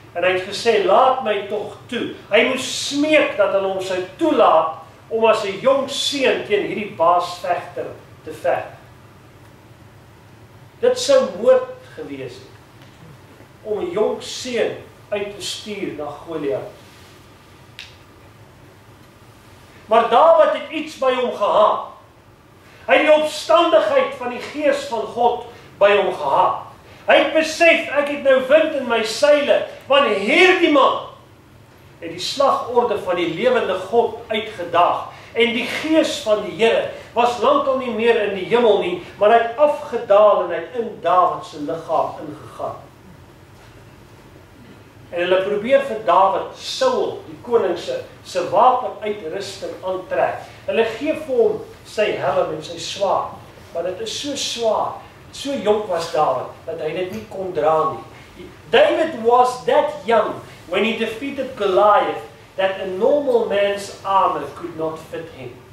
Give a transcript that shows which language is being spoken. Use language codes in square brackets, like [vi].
[af] En hy het gesê, laat my toch toe. Hy moes smeek dat hulle hom sou toelaat om as 'n jong seun teen hierdie baasvegter te veg. Dit sou moord gewees het om 'n jong seun uit te stuur na Goliat. Maar Dawid het iets by hom gehad. Hy het die opstandigheid van die Gees van God by hom gehad. Hy het besef, ek het nou wind in my seile, want hierdie man het die slagorde van die lewende God uitgedaag. En die Gees van die Here was lankal nie meer in die hemel nie, maar hy het afgedaal en hy het in Dawid se liggaam ingegaan. En hulle probeer vir Dawid, Saul, die koning se wapen uitrusting aantrek. Hulle gee vir hom sy helm en sy swaard, maar dit is so swaar. So jong was Dawid, dat hy dit nie kon dra nie. [en] David was that young when he defeated Goliath that a normal man's armor could not fit him.